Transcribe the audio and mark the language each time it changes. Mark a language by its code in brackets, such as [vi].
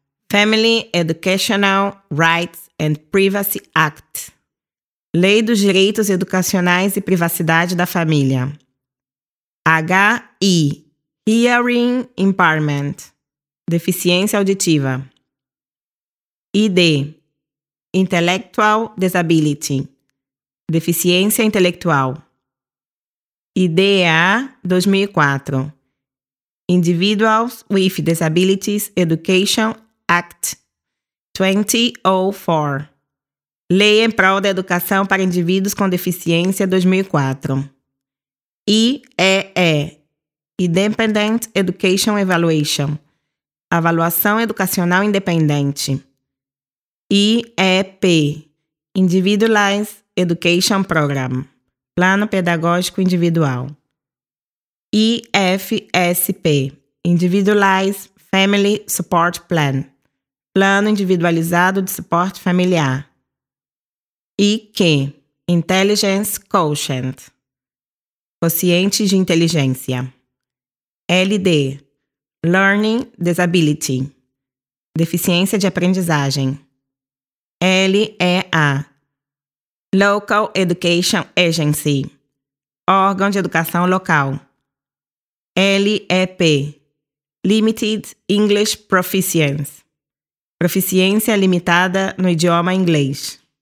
[en] Family Educational Rights and Privacy Act. [pt] Lei dos Direitos Educacionais e Privacidade da Família. [en] HI. Hearing Impairment. [pt] Deficiência auditiva. ID. [en] Intellectual Disability. [pt] Deficiência intelectual. [en] IDEA 2004. Individuals with Disabilities Education Act 2004. [pt] Lei em Prol da Educação para Indivíduos com Deficiência 2004. [en] IEE. Independent Education Evaluation. [pt] Avaliação Educacional Independente. [en] IEP. Individualized Education Program. [pt] Plano Pedagógico Individual. IFSP. [en] Individualized Family Support Plan. [pt] Plano Individualizado de Suporte Familiar. IQ. [en] Intelligence Quotient. [pt] Quociente de Inteligência. LD. [en] Learning Disability. [pt] Deficiência de Aprendizagem. [en] LEA. Local Education Agency. [pt] Órgão de Educação Local. LEP. [en] Limited English Proficiency. [pt] Proficiência limitada no idioma inglês.